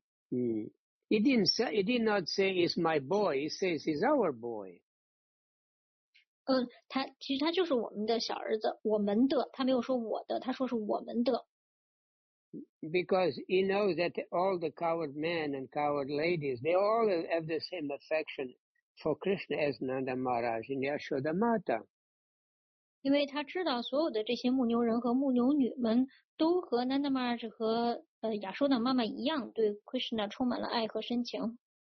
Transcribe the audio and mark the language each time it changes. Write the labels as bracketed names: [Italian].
[English] He did not say it's my boy, he says he's our boy. [Chinese] 他其实他就是我们的小儿子，我们的，他没有说我的，他说是我们的。 [English] Because he knows that all the coward men and coward ladies, they all have the same affection for Krishna as Nanda Maharaj in Yashoda Mata. [Chinese] 因为他知道所有的这些牧牛人和牧牛女们都和 Nanda Maharaj 和亚舒的妈妈一样对 Krishna 充满了爱和深情。